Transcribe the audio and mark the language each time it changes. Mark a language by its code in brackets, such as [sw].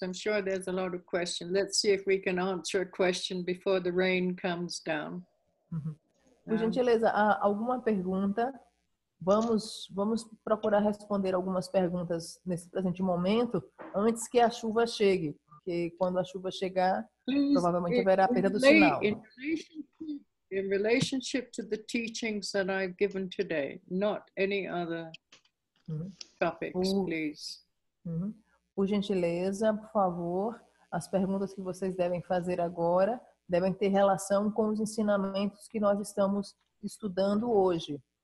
[en] I'm sure there's a lot of questions. Let's see if we can answer a question before the rain comes down. [pt] Uhum. Por gentileza, há alguma pergunta? Vamos procurar responder algumas perguntas nesse presente momento, antes que a chuva chegue. Porque quando a chuva chegar, [en] please, [pt] provavelmente haverá a perda do sinal. [en] In relationship to the teachings that I've given today, not any other topics, please. [pt] Por gentileza, por favor, as perguntas que vocês devem fazer agora devem ter relação com os ensinamentos que nós estamos estudando hoje.